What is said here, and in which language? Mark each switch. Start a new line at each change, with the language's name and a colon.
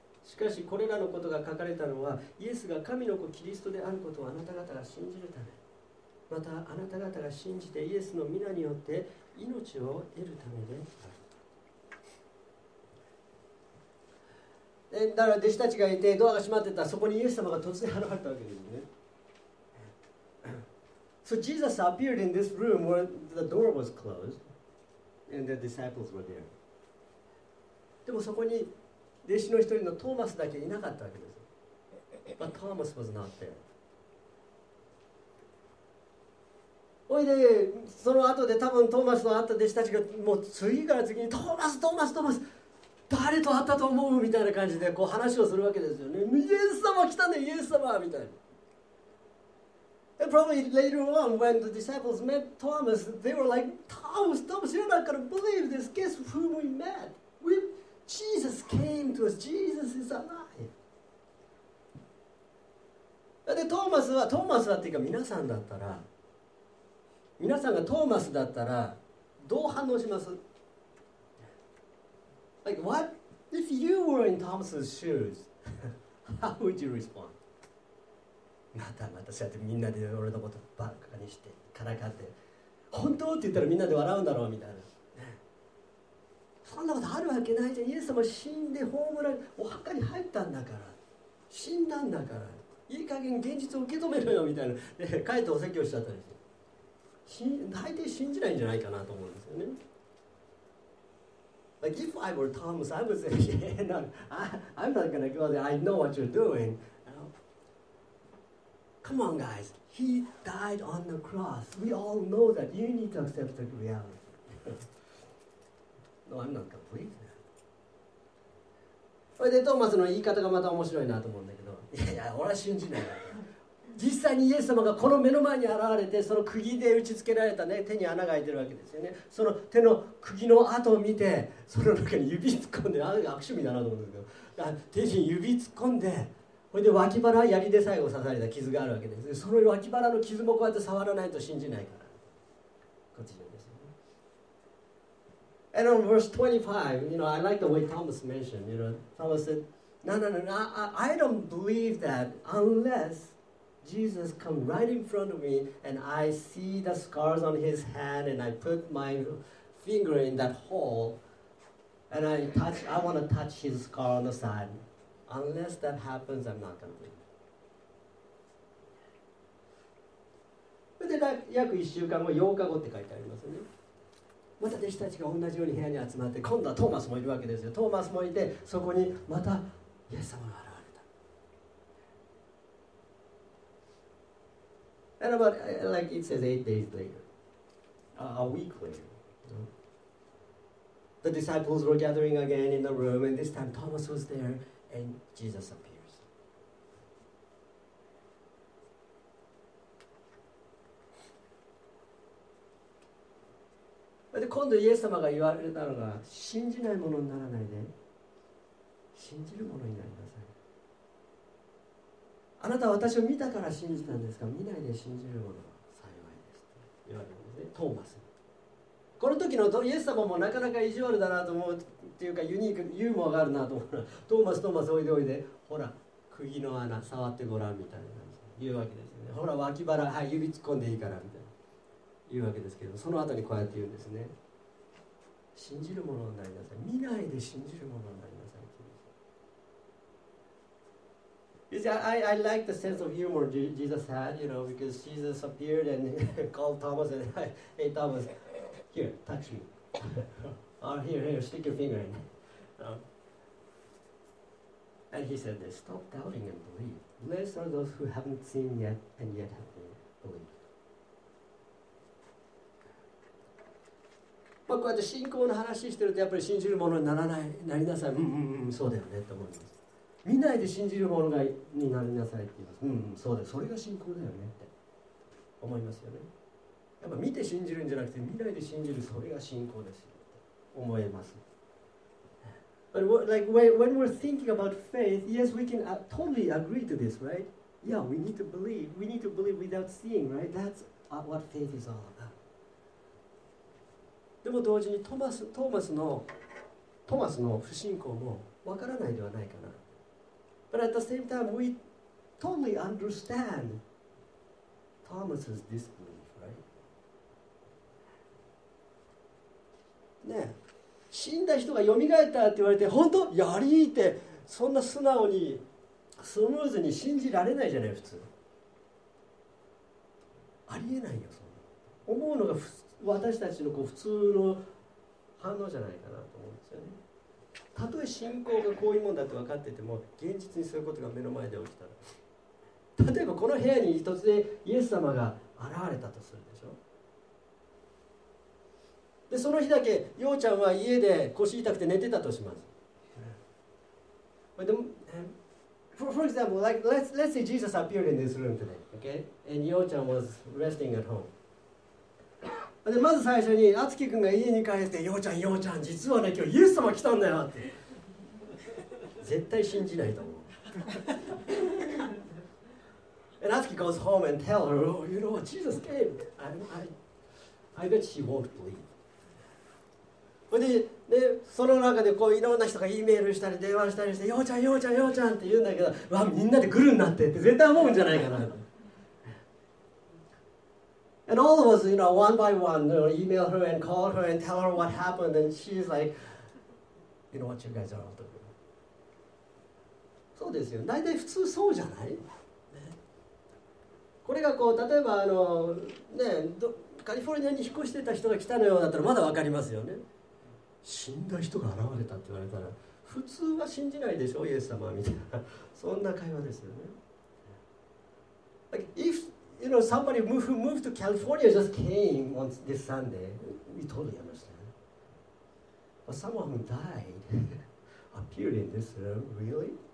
Japanese: しかしこれらのことが書かれたのは、イエスが神の子キリストであることをあなた方が信じるため、またあなた方が信じてイエスの御名によって命を得るためである。だから弟子たちがいてドアが閉まってた、そこにイエス様が突然現れたわけですね。
English: So Jesus appeared in this room where the door was closed and the disciples were there.
Japanese: でもそこに弟子の一人のトーマスだけいなかったわけです。
English: But Thomas was not there.
Japanese: おいで、その後で多分トーマスと会った弟子たちがもう次から次にトーマス誰と会ったと思うみたいな感じでこう話をするわけですよね。イエス様来たね、イエス様みたいな。
English: And probably later on when the disciples met Thomas, they were like, Thomas, Thomas, you're not gonna believe this. Guess who we met? Jesus came to us. Jesus is alive.
Japanese: で、トーマスはっていうか皆さんだったら、皆さんがトーマスだったらどう反応します ？
English: Like what if you were in Thomas's shoes? How would you respond?
Japanese: またそうやってみんなで俺のことバカにしてからかって、本当って言ったらみんなで笑うんだろうみたいな。そんなことあるわけないじゃん。イエス様死んで葬られ、お墓に入ったんだから、死んだんだから、いい加減現実を受け止めろよみたいな。で、帰ってお説教しちゃったりして。大抵信じないんじゃないかなと思うんですよね。
English: Like if I were Thomas, I would say, yeah, no, I'm not gonna go there. I know what you're doing. Come on, guys. He died on the cross. We all know that. You need to accept the reality. No, I'm not complete.
Japanese: それでトーマスの言い方がまた面白いなと思うんだけど、いやいや俺は信じない。実際にイエス様がこの目の前に現れて、その釘で打ちつけられた、ね、手に穴が開いてるわけですよね。その手の釘の跡を見て、その中に指突っ込んで、あ、悪趣味だなと思うんですけど、手に指突っ込んで、それで脇腹は槍で最後刺された傷があるわけです。その脇腹の傷もこうやって触らないと信じないから。こっちですよね。
English: And on verse 25, you know, I like the way Thomas mentioned, you know, Thomas said, No, no, no, no, I don't believe that unless... Jesus come right in front of me and I see the scars on his hand and I put my finger in that hole and I want to touch his scar on the side. Unless that happens, I'm not going to believe.
Japanese: それで約1週間後、8日後って書いてありますね。また弟子たちが同じように部屋に集まって、今度はトーマスもいるわけですよ。トーマスもいて、そこにまたイエス様が。
English: And about, like it says, 8 days later, a week later, the disciples were gathering again in the room, and this time Thomas was there, and Jesus appears.
Japanese: But 今度イエス様が言われたのが、信じないものにならないで、信じるものになりなさい。あなたは私を見たから信じたんですか、見ないで信じるものは幸いですと言われるんですね、トーマス。この時のイエス様もなかなか意地悪だなと思うっていうか、ユニーク、ユーモアがあるなと思う。トーマス、トーマス、おいでおいで、ほら、釘の穴、触ってごらんみたいな、言うわけですよね。ほら、脇腹、はい、指突っ込んでいいからみたいな、言うわけですけど、その後にこうやって言うんですね。信じるものになりなさい、見ないで信じるものになりなさい。
English: You see, I like the sense of humor Jesus had, you know, because Jesus appeared and called Thomas and said, Hey, Thomas, here, touch me. Oh, here, stick your finger in. And he said this, stop doubting and believe. Blessed are those who haven't seen yet and yet have believed.
Japanese: まあ、こうやって信仰の話してると、やっぱり信じるものにならない、なりなさい。そうだよね、と思います。見ないで信じるものがになりなさいって言います。そうです。それが信仰だよねって思いますよね。やっぱ見て信じるんじゃなくて、見ないで信じる、それが信仰ですよって思えます。
English: But what, like when we're thinking about faith, yes, we can totally agree to this, right? Yeah, we need to believe. We need to believe without seeing, right? That's what faith is all about.
Japanese: でも同時にトーマスの不信仰もわからないではないかな。
English: But at the same time, we totally understand Thomas's disbelief, right?
Japanese: ね、死んだ人が蘇ったって言われて、本当やりーってそんな素直にスムーズに信じられないじゃない普通。ありえないよそんな。思うのが私たちのこう普通の反応じゃないかなと思うんですよね。たとえ信仰がこういうもんだって分かってても、現実にそういうことが目の前で起きたら、例えばこの部屋に突然イエス様が現れたとするでしょ。で、その日だけようちゃんは家で腰痛くて寝てたとします。
English: でも、for example, like let's say Jesus appeared in this room today, okay? And ようちゃん was resting at home.
Japanese: でまず最初に敦貴くんが家に帰って、ようちゃん、ようちゃん、実はね、今日イエス様来たんだよって。絶対信じないと思う。
English: And 敦貴 goes home and tell her, oh, you know, Jesus came. I bet she won't believe.
Japanese: で、その中でこういろんな人がイメールしたり電話したりして、ようちゃん、ようちゃん、ようちゃんって言うんだけど、わ、みんなでグルになってって絶対思うんじゃないかな。
English: And all of us, you know, one by one, you know, email her and call her and tell her what happened, and she's like, you know what you guys are all doing.
Japanese: そうですよ。大体普通そうじゃない、ね、これがこう、例えばね、カリフォルニアに引っ越してた人が来たのようだったらまだ分かりますよね。死んだ人が現れたって言われたら、普通は信じないでしょ、イエス様みたいな。そんな会話ですよね。
English: Like, ifYou know, somebody who moved to California just came on this Sunday. We totally understand. But someone who died appeared in this room, really?